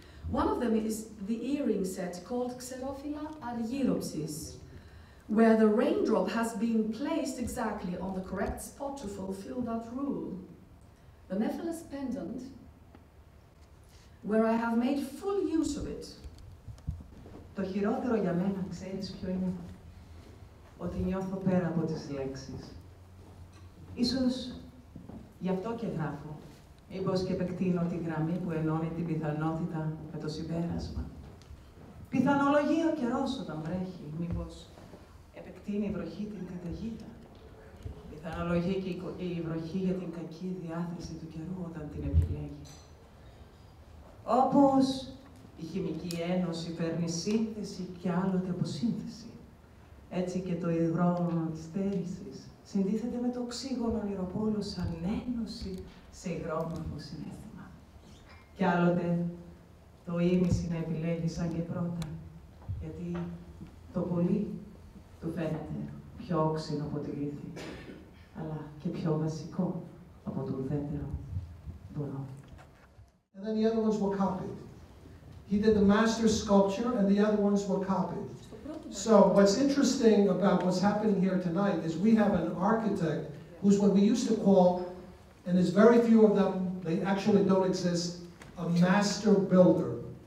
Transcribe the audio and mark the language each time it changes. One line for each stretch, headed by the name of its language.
English: One of them is the earring set called Xerophila Argyropsis, where the raindrop has been placed exactly on the correct spot to fulfill that rule. The Nephilis pendant, where I have made full use of it.
Greek: Το χειρότερο για μένα, ξέρεις ποιο είναι? Ότι νιώθω πέρα από τις λέξεις. Ίσως γι' αυτό και γράφω. Μήπως και επεκτείνω τη γραμμή που ενώνει την πιθανότητα με το συμπέρασμα. Πιθανολογεί ο καιρός όταν βρέχει. Μήπως επεκτείνει η βροχή την καταιγίδα. Πιθανολογεί και η βροχή για την κακή διάθεση του καιρού όταν την επιλέγει. Όπως η χημική ένωση φέρνει σύνθεση και άλλοτε αποσύνθεση. Έτσι και το υδρόγωνο της στέρησης συντίθεται με το οξύγωνο νηροπόλο σαν ένωση σε υγρόμορφο συνέστημα. Κι άλλοτε το ίμιση να επιλέγει σαν και πρώτα, γιατί το πολύ του φαίνεται πιο όξινο από τη λύθη, αλλά και πιο βασικό από το ουδέτερο βουνό.
English: And then the other ones were copied. He did the master sculpture and the other ones were copied. So what's interesting about what's happening here tonight is we have an architect who's what we used to call, and there's very few of them, they actually don't exist, a master builder.